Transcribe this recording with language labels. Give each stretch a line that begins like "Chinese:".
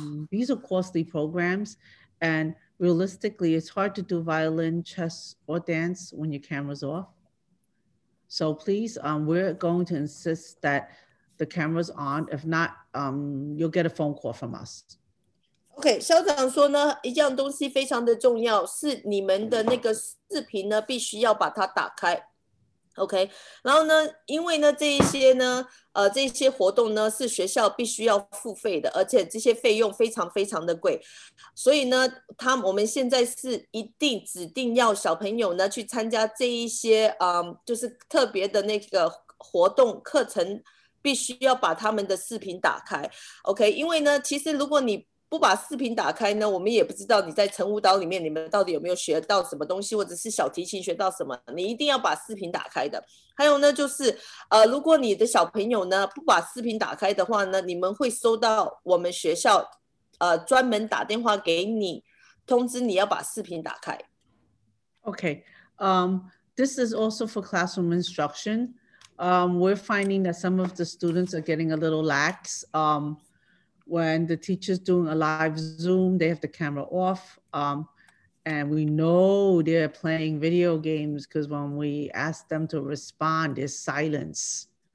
English: These are costly programs. And realistically, it's hard to do violin, chess, or dance when your camera's off. So please, we're going to insist that the camera's on. If not, you'll get a phone call from us.
Chinese: Okay, 校长说呢，一样东西非常的重要，是你们的那个视频呢，必须要把它打开。 Okay, 然后呢，因为呢，这一些呢，这些活动呢是学校必须要付费的，而且这些费用非常非常的贵，所以呢，我们现在是一定指定要小朋友呢去参加这一些，就是特别的那个活动课程，必须要把他们的视频打开。 OK， 因为呢，其实如果你不把视频打开呢，我们也不知道你在晨舞蹈里面你们到底有没有学到什么东西，或者是小提琴学到什么。你一定要把视频打开的。还有呢，就是如果你的小朋友呢不把视频打开的话呢，你们会收到我们学校专门打电话给你，通知你要把视频打开。
English: Okay, this is also for classroom instruction. We're finding that some of the students are getting a little lax. When the teacher's doing a live Zoom, they have the camera off. And we know they're playing video games because when we ask them to respond, there's silence.